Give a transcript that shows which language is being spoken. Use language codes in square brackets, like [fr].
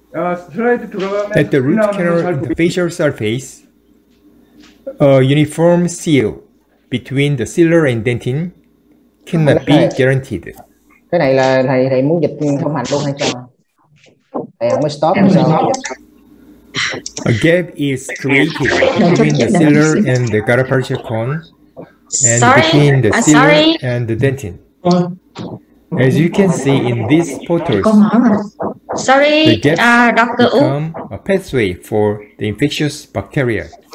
[en] At the root canal and the facial surface, a uniform seal between the sealer and dentin cannot be guaranteed. [vi] Cái này là thầy muốn dịch thông hành luôn hay sao? Thầy không muốn stop sao? [en] A gap is created between the sealer and the gutta percha cone, and between the sealer and the dentin. As you can see in these photos, the gap become a pathway for the infectious bacteria.